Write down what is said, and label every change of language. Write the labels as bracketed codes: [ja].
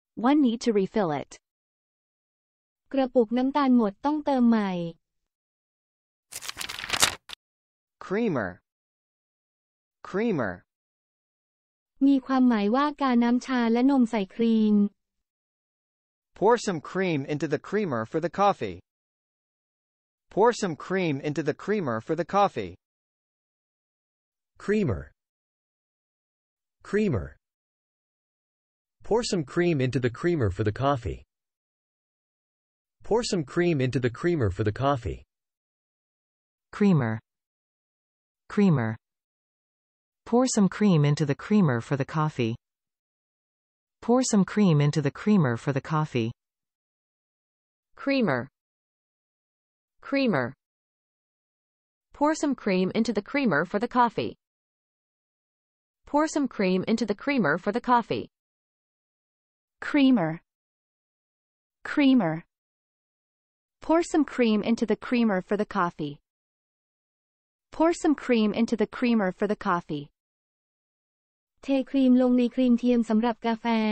[en] One need to refill it. [th] กระปุกน้ำตาลหมดต้องเติมใหม่ [en] Creamer. Creamer. [th] มีความหมายว่ากาน้ำชาและนมใส่ครีม [en] Pour some cream into the creamer for the coffee. Pour some cream into the creamer for the coffee. Creamer. Creamer. Pour some cream into the creamer for the coffee. Pour some cream into the creamer for the coffee. Creamer. Creamer. Pour some cream into the creamer for the coffee. Pour some cream into the creamer for the coffee. Creamer. Creamer. Pour some cream into the creamer for the coffee. Pour some cream into the creamer for the coffee. Creamer. Creamer. Pour some cream into the creamer for the coffee. Pour some cream into the creamer for the coffee. [th] เทครีมลงในครีมเทียมสำหรับกาแฟ